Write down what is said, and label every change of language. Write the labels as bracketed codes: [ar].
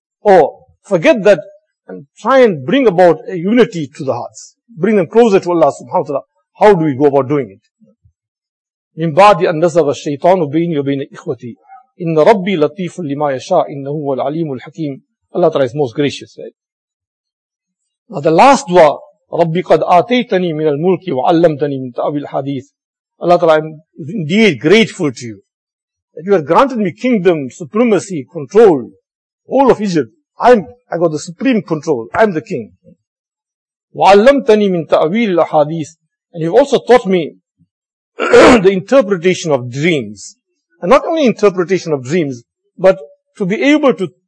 [en] Or forget that and try and bring about a unity to the hearts. Bring them closer to Allah subhanahu wa ta'ala. How do we go about doing it? [ar] مِن بَعْدِ أَن نَزَغَ الشَّيْطَانُ بَيْنِي وَبَيْنَ إِخْوَتِي إِنَّ رَبِّي لَطِيفٌ لِمَا يَشَاءُ إِنَّهُ هُوَ الْعَلِيمُ الْحَكِيمُ. [en] Allah Ta'ala is most gracious, right? Now the last dua, [ar] رَبِّي قَدْ آتَيْتَنِي مِنَ الْمُلْكِ وَعَلَّمْتَنِي مِنْ تَأْوِي الْحَدِيثِ. [en] Allah Ta'ala, I am indeed grateful to you that you have granted me kingdom, supremacy, control, all of Egypt. I got the supreme control. I am the king. [ar] وَعَلَّمْتَنِي مِنْ تَأْوِي الْحَدِيثِ. [en] And you have also taught me the interpretation of dreams. And not only interpretation of dreams, but to be able to